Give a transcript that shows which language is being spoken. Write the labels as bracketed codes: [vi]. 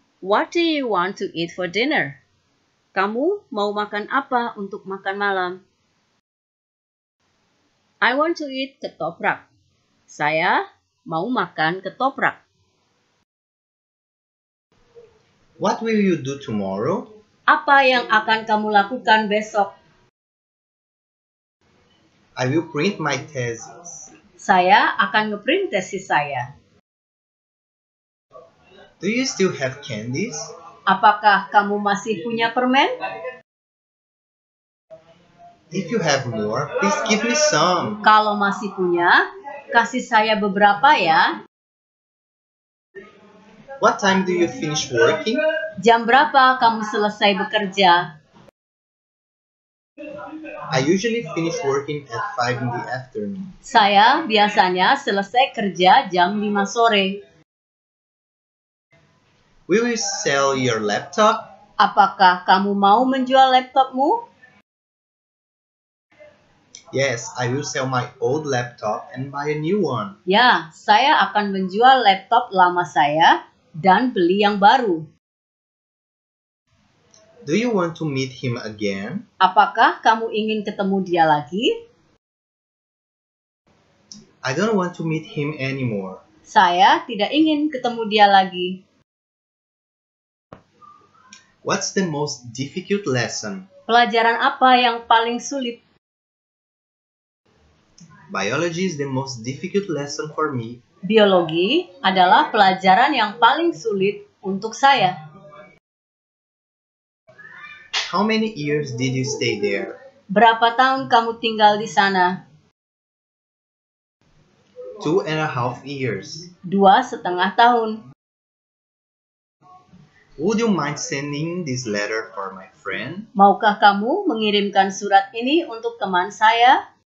[en] What do you want to eat for dinner? [id] Kamu mau makan apa untuk makan malam? [en] I want to eat ketoprak. [id] Saya mau makan ketoprak. [en] What will you do tomorrow? [id] Apa yang akan kamu lakukan besok? [en] I will print my thesis. [id] Saya akan nge-print tesis saya. [en] Do you still have candies? [id] Apakah kamu masih punya permen? [en] If you have more, please give me some. [id] Kalau masih punya, kasih saya beberapa ya. [en] What time do you finish working? [id] Jam berapa kamu selesai bekerja? [en] I usually finish working at 5 in the afternoon. [id] Saya biasanya selesai kerja jam 5 sore. [en] Will you sell your laptop? [id] Apakah kamu mau menjual laptopmu? [en] Yes, I will sell my old laptop and buy a new one. [id] Ya, saya akan menjual laptop lama saya dan beli yang baru. [en] Do you want to meet him again? [id] Apakah kamu ingin ketemu dia lagi? [en] I don't want to meet him anymore. [id] Saya tidak ingin ketemu dia lagi. [en] What's the most difficult lesson? [id] Pelajaran apa yang paling sulit? [en] Biology is the most difficult lesson for me. [id] Biologi adalah pelajaran yang paling sulit untuk saya. [en] How many years did you stay there? [id] Berapa tahun kamu tinggal di sana? [en] 2.5 years. [id] 2.5 tahun. [en] Would you mind sending this letter for my friend? [id] Maukah kamu mengirimkan surat ini untuk teman saya?